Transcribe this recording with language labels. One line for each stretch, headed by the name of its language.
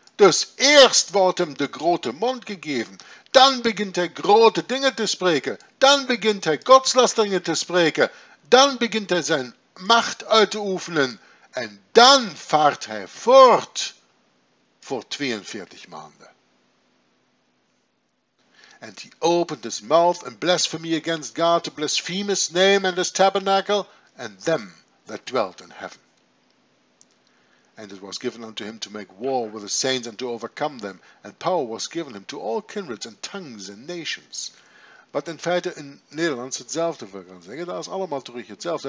Dutch: Dus eerst wordt hem de grote mond gegeven. Dan begint hij grote dingen te spreken. Dan begint hij godslasteringen te spreken. Dan begint hij zijn macht uit te oefenen. En dan vaart hij voort voor 42 maanden. En hij opent zijn
English: mouth en blasphemy against God, to blaspheme his name and his tabernacle, and them that dwelt in heaven. And it was given unto him to make war with the saints and to overcome them. And power was given him to all kindreds and tongues and nations.
Dutch: Wat in feite in Nederland hetzelfde we gaan zeggen. Dat is allemaal terug hetzelfde.